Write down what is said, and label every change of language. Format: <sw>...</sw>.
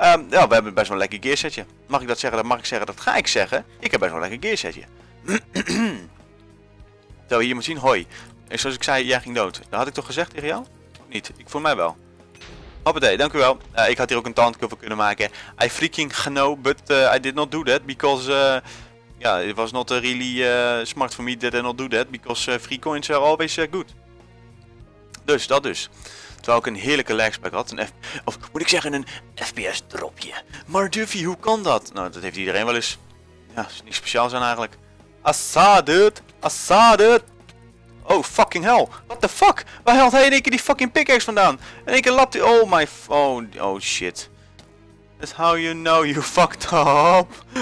<nl>Ja, we hebben best wel een lekker gear setje. Mag ik dat zeggen? Dat mag ik zeggen. Dat ga ik zeggen. Ik heb best wel een lekker gear setje. Zou je hier maar zien? Hoi. En zoals ik zei, jij ging dood. Dat had ik toch gezegd tegen jou? Of niet? Ik voor mij wel. Hoppatee, dank u wel. Ik had hier ook een tandkuffer voor kunnen maken.</nl> <en>I freaking know, but I did not do that because... Ja, yeah, it was not really smart for me that I not do that, because free coins are always good.</en> <nl>Dus, dat dus. Terwijl ik een heerlijke lagspike had. Of moet ik zeggen, een FPS dropje. Maar Duffy, hoe kan dat? Nou, dat heeft iedereen wel eens. Ja, is niet speciaal zijn eigenlijk.</nl> <en>Assa, dude. Assa, dude. Oh, fucking hell. What the fuck?</en> <nl>Waar haalt hij in één keer die fucking pickaxe vandaan? In één keer lapt hij.</nl> <en>Oh my phone. Oh, oh shit. That's how you know you fucked up.</en>